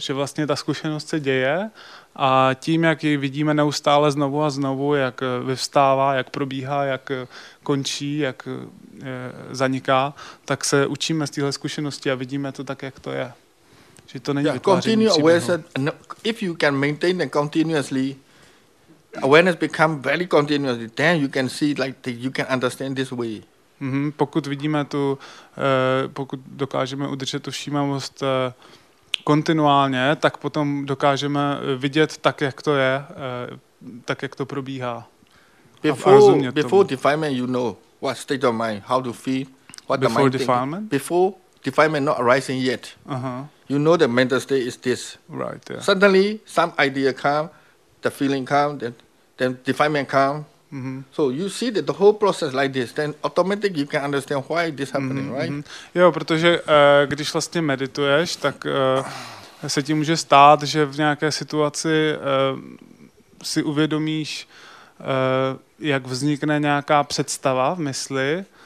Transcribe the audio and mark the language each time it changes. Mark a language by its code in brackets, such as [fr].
[cs] Že vlastně ta zkušenost se děje a tím, jak ji vidíme neustále znovu a znovu, jak vyvstává, jak probíhá, jak končí, jak zaniká, tak se učíme z téhle zkušenosti a vidíme to tak, jak to je. Že to není vytváření příběhu. [en] If you can maintain it continuously, awareness become very continuous. Then you can see, like you can understand this way. Mm-hmm. [cs] Pokud vidíme tu, pokud dokážeme udržet tu všímavost kontinuálně, tak potom dokážeme vidět tak, jak to je, tak jak to probíhá. [en] Before defilement, you know what state of mind, how to feel, what the mind. Before defilement. Think. Before defilement not arising yet. Uh-huh. You know the mental state is this. Right. Yeah. Suddenly some idea come. The feeling come, then defilement come. Mm-hmm. So you see that the whole process like this, then automatically you can understand why this happening, mm-hmm. right? [cs] Jo, protože když vlastně medituješ, tak se ti může stát, že v nějaké situaci si uvědomíš, jak vznikne nějaká představa v mysli.